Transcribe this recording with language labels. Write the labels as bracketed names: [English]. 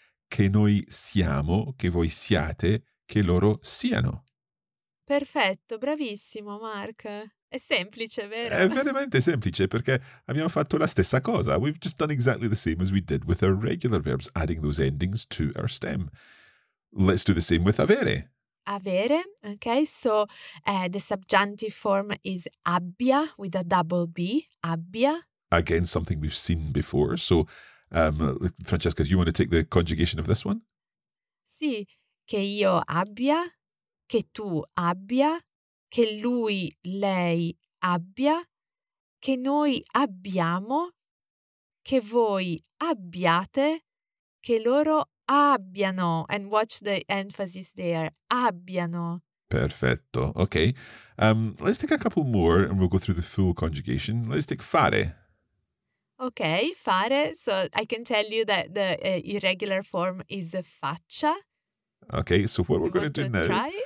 [Italian] Che noi siamo, che voi siate, che loro siano. Perfetto, bravissimo, Mark. È semplice, vero? È veramente semplice, perché abbiamo fatto la stessa cosa. [English] We've just done exactly the same as we did with our regular verbs, adding those endings to our stem. Let's do the same with avere. [Italian] Avere, okay. [English] So the subjunctive form is abbia, with a double B, abbia. Again, something we've seen before, so... Francesca, do you want to take the conjugation of this one? [Italian] Sì, che io abbia, che tu abbia, che lui, lei abbia, che noi abbiamo, che voi abbiate, che loro abbiano. [English] And watch the emphasis there, abbiano. [Italian] Perfetto, okay. [English] Let's take a couple more and we'll go through the full conjugation. Let's take fare. Okay, fare. So I can tell you that the irregular form is faccia. Okay, so what we're going to do now... Try?